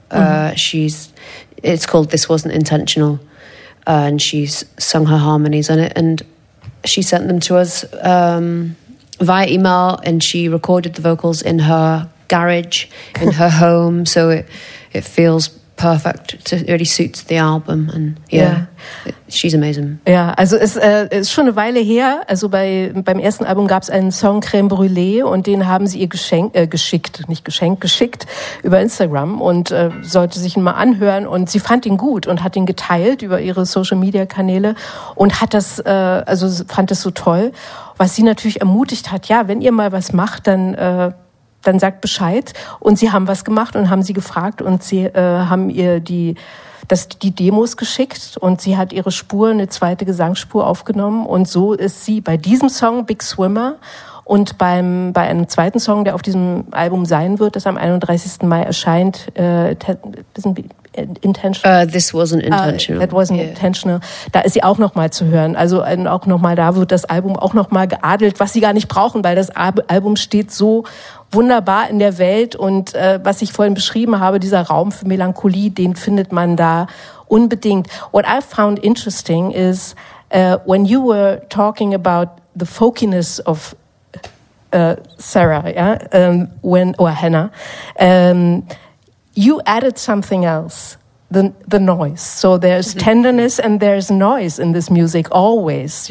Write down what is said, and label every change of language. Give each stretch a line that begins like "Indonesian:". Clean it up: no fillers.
English: It's called This Wasn't Intentional, and she's sung her harmonies on it, and she sent them to us via email, and she recorded the vocals in her garage, in her home, so it feels perfect. It really suits the album, and she's amazing.
German: Ja, also es ist schon eine Weile her. Also beim ersten Album gab es einen Song Creme Brûlée und den haben sie ihr geschickt über Instagram und sollte sich ihn mal anhören und sie fand ihn gut und hat ihn geteilt über ihre Social Media Kanäle und hat das fand es so toll, was sie natürlich ermutigt hat. Ja, wenn ihr mal was macht, dann sagt Bescheid und sie haben was gemacht und haben sie gefragt und sie haben ihr die Demos geschickt und sie hat ihre Spur, eine zweite Gesangsspur aufgenommen und so ist sie bei diesem Song Big Swimmer Und bei einem zweiten Song, der auf diesem Album sein wird, das am 31. Mai erscheint,
English: This wasn't intentional.
German: Da ist sie auch nochmal zu hören. Also auch nochmal, da wird das Album auch nochmal geadelt, was sie gar nicht brauchen, weil das Album steht so wunderbar in der Welt. Und was ich vorhin beschrieben habe, dieser Raum für Melancholie, den findet man da unbedingt.
English: What I found interesting is, when you were talking about the folkiness of Hannah, you added something else, the noise. So there's mm-hmm. tenderness and there's noise in this music always.